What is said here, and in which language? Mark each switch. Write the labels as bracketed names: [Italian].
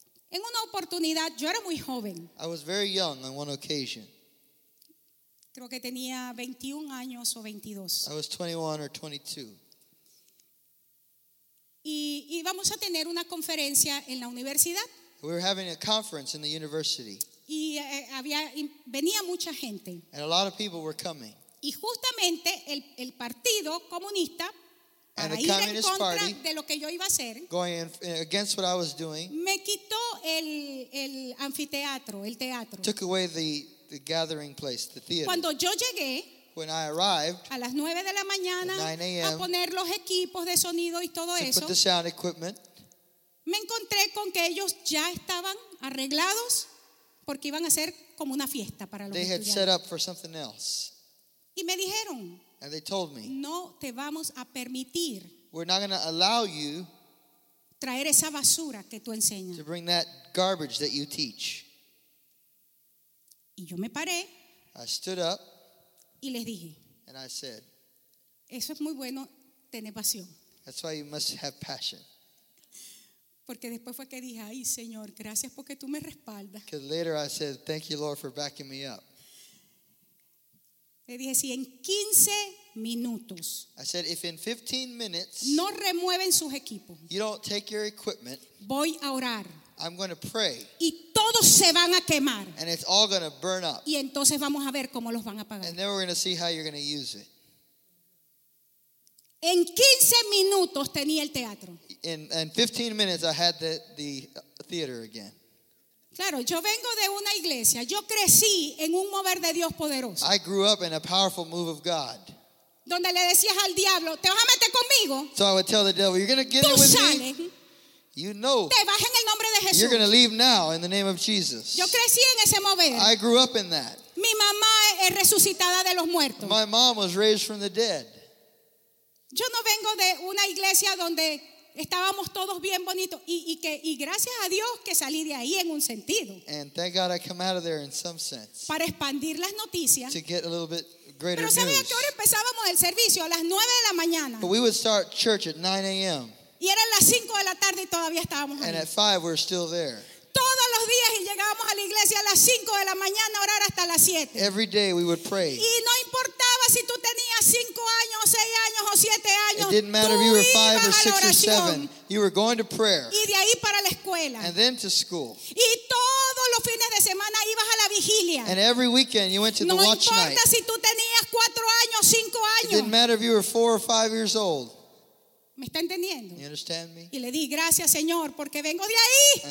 [Spanish] En una oportunidad, yo era muy joven. [English] I was very young on one occasion. [Spanish] Creo que tenía 21 años o 22. [English] I was 21 or 22. [Spanish] Y íbamos a tener una conferencia en la universidad. [English] We were having a conference in the university. [Spanish] Y había venía mucha gente. [English] And a lot of people were coming. [Spanish] Y justamente el partido comunista para ir en contra de lo que yo iba a hacer. [English] Going against what I was doing. [Spanish] Me quitó el anfiteatro, el teatro. [English] Took away the gathering place, the theater. [Spanish] Cuando yo llegué, [English] when I arrived, [Spanish] a las 9 de la mañana, [English] at 9 a.m. [Spanish] a poner los equipos de sonido y todo eso. [English] To put the sound equipment. [Spanish] Me encontré con que ellos ya estaban arreglados porque iban a hacer como una fiesta para los estudiantes. [English] They had set up for something else. [Spanish] Y me dijeron, [English] and they told me, [Spanish] no te vamos a permitir, [English] we're not going to allow you, [Spanish] traer esa basura que tú enseñas, [English] to bring that garbage that you teach. [Spanish] Y yo me paré, [English] I stood up, [Spanish] y les dije, [English] and I said, [Spanish] eso es muy bueno tener pasión. [English] That's why you must have passion. [Spanish] Porque después fue que dije, ay Señor, gracias porque tú me respaldas. [English] Because later I said, thank you Lord for backing me up. [Spanish] Le dije, si en 15 minutos, [English] I said, if in 15 minutes, [Spanish] no remueven sus equipos, [English] you don't take your equipment, [Spanish] voy a orar, [English] I'm going to pray, [Spanish] y todos se van a quemar, [English] and it's all going to burn up, [Spanish] y entonces vamos a ver cómo los van a pagar, [English] and then we're going to see how you're going to use it. [Spanish] En 15 minutos tenía el teatro. [English] In 15 minutes I had the theater again. [Spanish] Claro, yo vengo de una iglesia. Yo crecí en un mover de Dios poderoso. [English] I grew up in a powerful move of God. [Spanish] Donde le decías al diablo, te vas a meter conmigo. [English] So I would tell the devil, you're going to get in with [Spanish] sales. [English] Me. You know. [Spanish] Te vas en el nombre de Jesús. [English] You're going to leave now in the name of Jesus. [Spanish] Yo crecí en ese mover. [English] I grew up in that. [Spanish] Mi mamá es resucitada de los muertos. [English] My mom was raised from the dead. [Spanish] Yo no vengo de una iglesia donde estábamos todos bien bonitos y gracias a Dios que salí de ahí en un sentido. [English] And thank God I come out of there in some sense. [Spanish] Para expandir las noticias. [English] To get a little bit greater news. [Spanish] Pero sabía que ahora empezábamos el servicio a las 9 de la mañana. [English] But we would start church at 9 a.m. [Spanish] Y eran las 5 de la tarde y todavía estábamos ahí. [English] And at 5 we're still there. [Spanish] Todos los días y llegábamos a la iglesia a las 5 de la mañana a orar hasta las 7. [English] Every day we would pray. [Spanish] Y no importaba si tú tenías 5 años, 6 años o 7 años. [English] It didn't matter if you were 5 or 6 or 7. You were going to prayer. [Spanish] Y de ahí para la escuela. [English] And then to school. [Spanish] Y todos los fines de semana ibas a la vigilia. [English] And every weekend you went to the watch night. [Spanish] No importa si tú tenías 4 años, 5 años. [English] It didn't matter if you were 4 or 5 years old. [Spanish] ¿Me está entendiendo? [English] You understand me? [Spanish] Y le di gracias, Señor, porque vengo de ahí.